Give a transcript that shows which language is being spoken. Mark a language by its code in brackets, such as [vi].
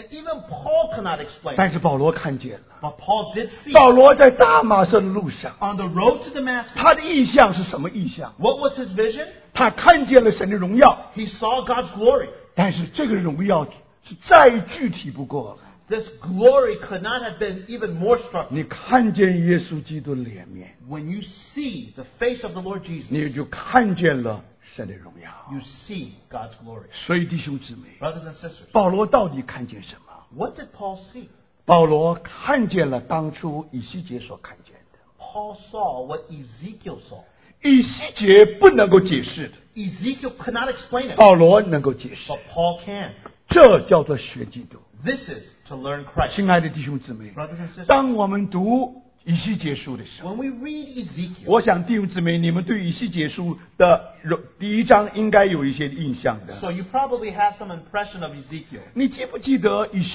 [en] and even Paul cannot explain. [zh] 但是保罗看见了, [en] but Paul did see. [zh] 保罗在大马色的路上, [en] on the road to Damascus, [zh] 他的意象是什么意象? [en] What was his vision? [zh] 他看见了神的荣耀, [en] he saw God's glory. [zh] 但是这个荣耀是再具体不过了, [en] this glory could not have been even more struck. [zh] 你看见耶稣基督的脸面, [en] when you see the face of the Lord Jesus, [zh] 你就看见了神的荣耀, [en] you see God's glory. [zh] 所以弟兄姊妹, [en] brothers and sisters, [zh] 保罗到底看见什么? [en] What did Paul see? [zh] 保罗看见了当初以西结所看见的, [en] Paul saw what Ezekiel saw. [zh] 以西结不能够解释的, [en] Ezekiel could not explain it. [zh] 保罗能够解释, [en] but Paul can. [zh] 这叫做学基督, [en] this is to learn Christ. [zh] 亲爱的弟兄姊妹, [en] brothers and sisters, [zh] 当我们读以西结书的时候, [en] when we read Ezekiel, [zh] 我想弟兄姊妹, 你们对以西结书的第一章应该有一些印象的, [en] so you probably have some impression of Ezekiel.